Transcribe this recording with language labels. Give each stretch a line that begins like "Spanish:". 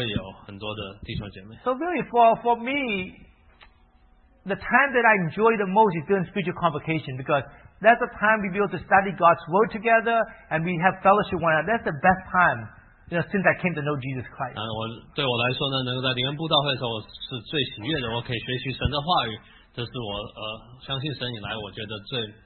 Chinese: 然后我们会在今世会有很多弟兄姐妹，在永生的时候也会有很多的弟兄姐妹。
English: So really, for me, the time that I enjoy the most is during spiritual convocation, because that's the time we be able to study God's word together and we have fellowship with one another. That's the best time, you know, since I came to know Jesus Christ.
Chinese: 对我来说呢，能够在灵恩布道会的时候，我是最喜悦的。我可以学习神的话语，这是我相信神以来我觉得最